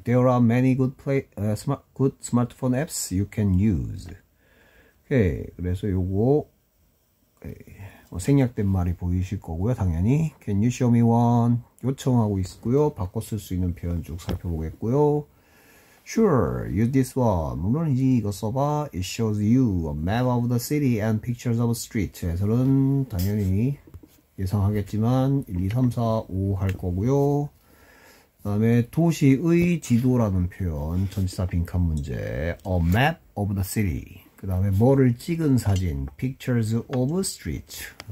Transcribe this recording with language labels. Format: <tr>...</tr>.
<en>There are many good smartphone apps you can use.</en> <ko>오케이. 그래서 요거, 생략된 말이 보이실 거고요.</ko> <en>당연히. Can you show me one?</en> <ko>요청하고 있고요. 바꿔 쓸수 있는 표현 쭉 살펴보겠고요.</ko> <en>Sure, use this one.</en> <ko>물론이지, 이거 써봐.</ko> <en>It shows you a map of the city and pictures of streets.</en> <ko>에서는 당연히 예상하겠지만 1, 2, 3, 4, 5할 거고요. 그다음에 도시의 지도라는 표현, 전치사 빈칸 문제.</ko> <en>A map of the city.</en> <ko>그다음에 뭐를 찍은 사진,</ko> <en>pictures of streets.</en>